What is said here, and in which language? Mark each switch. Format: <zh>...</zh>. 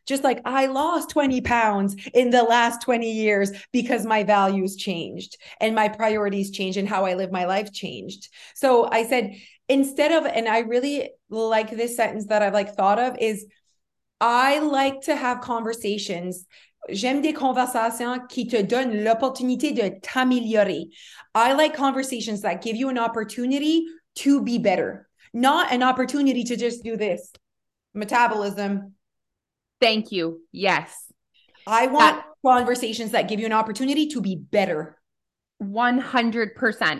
<en>Just like I lost 20 pounds in the last 20 years because my values changed and my priorities changed and how I live my life changed. So I said, instead of, and I really like this sentence that I've like thought of, is I like to have conversations.</en> <fr>J'aime des conversations qui te donnent l'opportunité de t'améliorer.</fr> <en>I like conversations that give you an opportunity to be better, not an opportunity to just do this. Metabolism. Thank you. Yes. I want conversations that give you an opportunity to be better. 100%.</en>